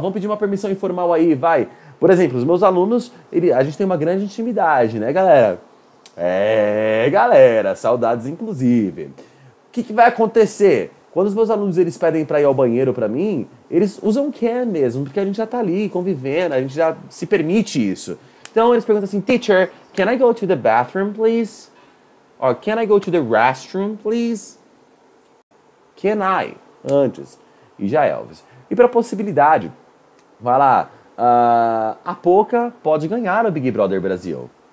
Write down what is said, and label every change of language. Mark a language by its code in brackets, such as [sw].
[pt] Vamos pedir uma permissão informal aí, vai. Por exemplo, os meus alunos, a gente tem uma grande intimidade, né, galera? É, galera, saudades inclusive. O que vai acontecer? Quando os meus alunos eles pedem pra ir ao banheiro pra mim, eles usam can mesmo, porque a gente já tá ali convivendo, a gente já se permite isso. Então eles perguntam assim, [en] teacher, can I go to the bathroom, please? Or can I go to the restroom, please? Can I? [pt] Antes. E já é, Elvis. E pra possibilidade, vai lá. A Poca pode ganhar o Big Brother Brasil.